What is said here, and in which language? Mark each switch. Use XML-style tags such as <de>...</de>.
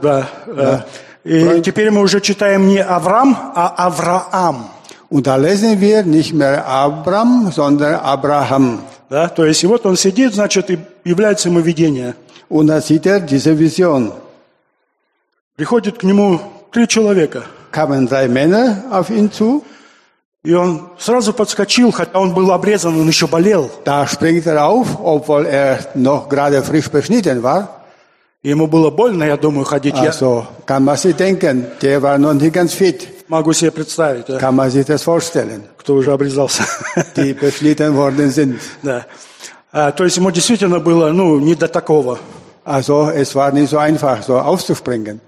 <ru>Да. И теперь мы уже читаем не Авраам, а Авраам.</ru> <de>Und da lesen wir nicht mehr Abraham, sondern Abraham.</de> <ru>Да, то есть и вот он сидит, значит, и является ему видение.</ru> <de>Und da sieht diese Vision.</de> <ru>Приходит к нему три человека.</ru> <de>Kamen drei Männer auf ihn zu.</de> <ru>И он сразу подскочил, хотя он был обрезан, он еще болел.</ru> <de>Da springt auf, obwohl noch gerade frisch beschnitten war.</de> <ru>Ему было больно, я думаю, ходить.</ru> <de>Also, kann man sich denken, der war noch nicht ganz fit.</de> <ru>Могу себе представить.</ru> <de>Kann man sich das vorstellen.</de> <ru>Кто уже обрезался.</ru> <de>Die beschnitten worden sind.</de> <ru>Да. То есть ему действительно было, ну, не до такого.</ru> <de>Also, es war nicht so einfach, so aufzuspringen.</de>